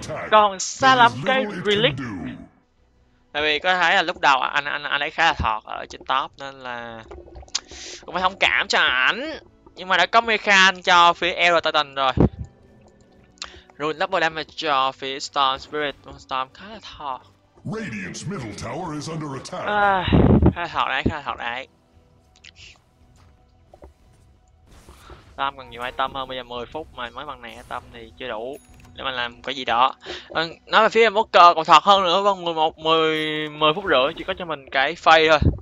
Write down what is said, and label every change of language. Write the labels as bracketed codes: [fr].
[vi] Còn xa lắm cái Relic. Tại vì có thể thấy là lúc đầu anh ấy khá là thọt ở trên top nên là cũng phải thông cảm cho ảnh. Nhưng mà đã có Mecha anh cho phía Aero Titan rồi. Rune double damage cho phía Storm Spirit. Storm khá là thọt. [en] Radiant's middle tower is under attack. [vi] Khá là thọt đấy, khá là thọt đấy. Storm còn nhiều item hơn, bây giờ 10 phút mà mới bằng này item thì chưa đủ để mà làm cái gì đó. Nói về phía Evoker còn thọt hơn nữa, vâng 10 phút rưỡi chỉ có cho mình cái phay thôi.